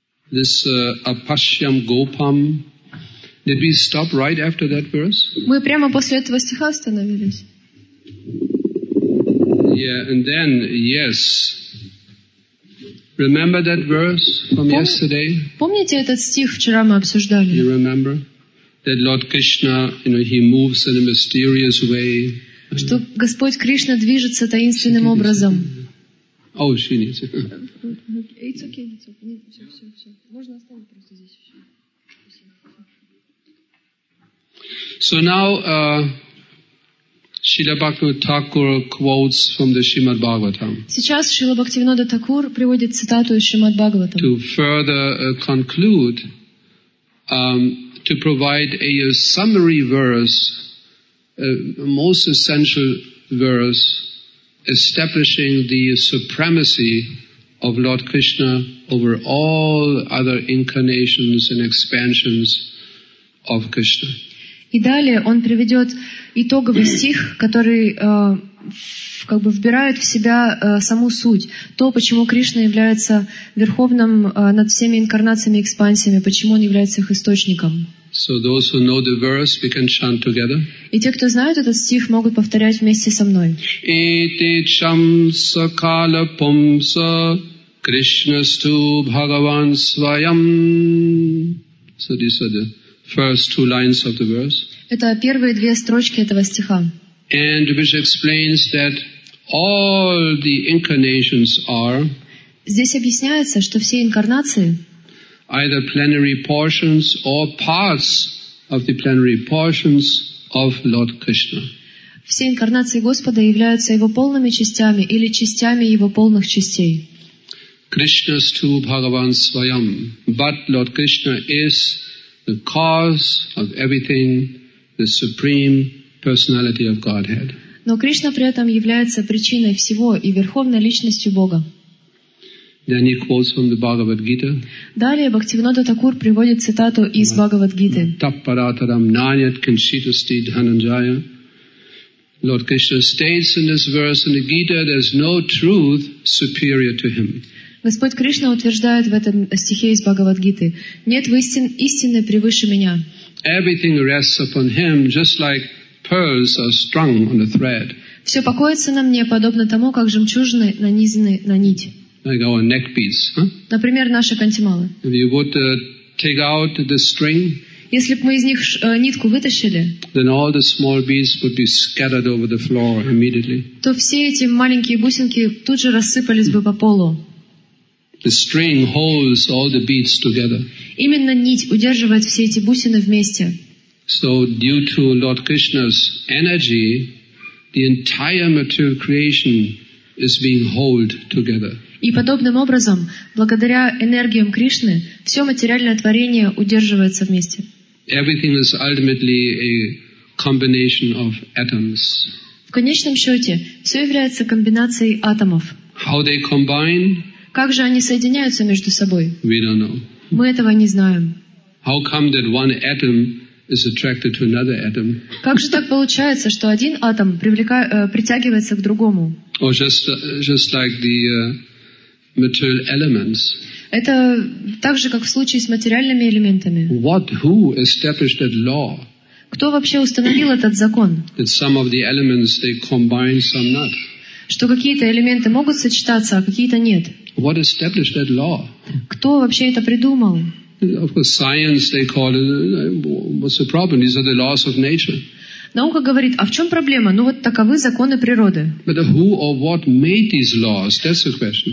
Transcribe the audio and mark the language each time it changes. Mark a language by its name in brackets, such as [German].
[English] This Apashyam Gopam. Did we stop right after that verse? [Russian] Мы прямо после этого стиха остановились. [English] Yeah, and then, yes. Remember that verse from yesterday? [Russian] Помните этот стих, вчера мы обсуждали? [English] You remember? That Lord Krishna, you know, he moves in a mysterious way. [Russian] Что Господь Кришна движется таинственным образом. [English] Oh, she needs it. It's okay, it's okay. [Russian] Нет, все. Можно оставить просто здесь еще. [English] So now, Srila Bhaktivinoda Thakur quotes from the Srimad Bhagavatam. [Russian] Сейчас Шрила Бхактивинода Такур приводит цитату из Шримад Бхагаватам. [English] To further conclude, to provide a summary verse, a most essential verse, establishing the supremacy of Lord Krishna over all other incarnations and expansions of Krishna. [Russian] И далее он приведет итоговый стих, который как бы вбирают в себя саму суть. То, почему Кришна является верховным над всеми инкарнациями и экспансиями, почему он является их источником. [English] So those who know the verse, we can chant together. [Russian] И те, кто знают этот стих, могут повторять вместе со мной. [Sanskrit] Эти чамса кала пумса Кришнасту Бхагаван Свайам. [English] So these are the first two lines of the verse. [Russian] Это первые две строчки этого стиха. [English] And which explains that all the incarnations are. [Russian] Здесь объясняется, что все инкарнации. [English] Either plenary portions or parts of the plenary portions of Lord Krishna. [Russian] Все инкарнации Господа являются его полными частями или частями его полных частей. [English] Krishna is too Bhagavan Swayam, but Lord Krishna is the cause of everything, the supreme personality of Godhead. [Russian] Но Кришна при этом является причиной всего и верховной личностью Бога. [English] Then he quotes from the Bhagavad Gita. [Russian] Далее Бхактивинода Такур приводит цитату из Бхагавад Гиты. [Sanskrit] Таппарататам наньят кинчитасти Дхананджая. [English] Lord Krishna states in this verse in the Gita, there's no truth superior to him. [Russian] Господь Кришна утверждает в этом стихе из Бхагавад Гиты: нет истины превыше меня. [English] Everything rests upon him, just like pearls are strung on a thread. [Russian] Все покоится на мне, подобно тому, как жемчужины нанизаны на нить. [English] Like our neck beads, huh? [Russian] Например, наши кантималы. [English] If you would take out the string, [Russian] если бы мы из них нитку вытащили, [English] then all the small beads would be scattered over the floor immediately. [Russian] То все эти маленькие бусинки тут же рассыпались бы по полу. [English] The string holds all the beads together. [Russian] Именно нить удерживает все эти бусины вместе. [English] So due to Lord Krishna's energy, the entire material creation is being held together. [Russian] И подобным образом, благодаря энергиям Кришны, все материальное творение удерживается вместе. [English] Everything is ultimately a combination of atoms. [Russian] В конечном счете, все является комбинацией атомов. [English] How they combine? [Russian] Как же они соединяются между собой? [English] We don't know. [Russian] Мы этого не знаем. [English] How come that one atom is attracted to another atom? [Russian] Как же так получается, что один атом притягивается к другому? [English] Or just like the material elements. [Russian] Это так же, как в случае с материальными элементами. [English] What, who established that law? [Russian] Кто вообще установил этот закон? [English] That some of the elements they combine, some not. [Russian] Что какие-то элементы могут сочетаться, а какие-то нет. [English] What established that law? [Russian] Кто вообще это придумал? [English] Of course, science they call it. What's the problem? These are the laws of nature. [Russian] Наука говорит, а в чем проблема? Ну вот таковы законы природы. [English] But who or what made these laws? That's the question.